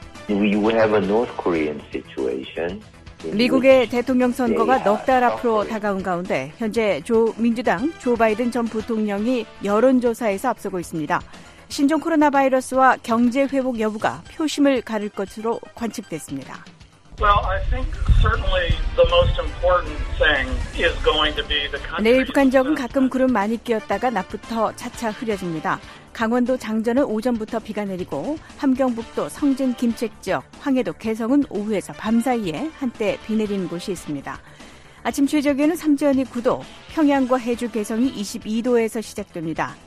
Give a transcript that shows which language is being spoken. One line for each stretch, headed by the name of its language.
English: We have a North Korean situation.
Korean: 미국의 대통령 선거가 넉 달 앞으로 다가온 가운데 현재 민주당 조 바이든 전 부통령이 여론조사에서 앞서고 있습니다. 신종 코로나 바이러스와 경제 회복 여부가 표심을 가를 것으로 관측됐습니다.
English: Well, I think certainly the most important thing is going to be the country.
Korean: 내일 북한 지역은 가끔 구름 많이 끼었다가 낮부터 차차 흐려집니다. 강원도 장전은 오전부터 비가 내리고 함경북도 성진 김책 지역, 황해도 개성은 오후에서 밤 사이에 한때 비 내리는 곳이 있습니다. 아침 최저 기온은 삼지연이 9도, 평양과 해주 개성이 22도에서 시작됩니다.